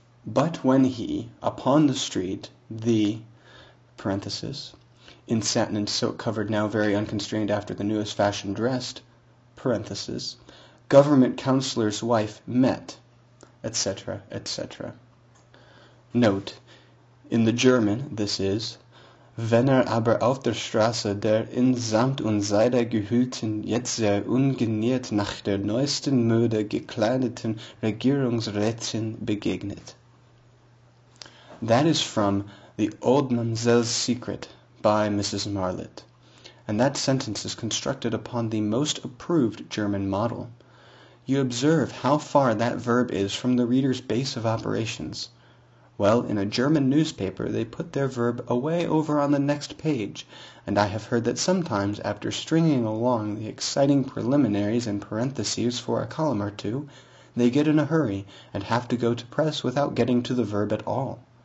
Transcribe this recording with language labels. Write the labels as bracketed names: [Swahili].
[English] But when he, upon the street, the, parenthesis, in satin and silk covered now very unconstrained after the newest fashion dressed, parenthesis, government counselor's wife met, etc., etc. Note, in the German this is, [German] wenn aber auf der Straße der in Samt und Seide gehüllten, jetzt sehr ungeniert nach der neuesten Mode gekleideten Regierungsrätin begegnet. [English] That is from The Old Mamselle's Secret by Mrs. Marlitt, and that sentence is constructed upon the most approved German model. You observe how far that verb is from the reader's base of operations. Well, in a German newspaper, they put their verb away over on the next page, and I have heard that sometimes, after stringing along the exciting preliminaries and parentheses for a column or two, they get in a hurry and have to go to press without getting to the verb at all.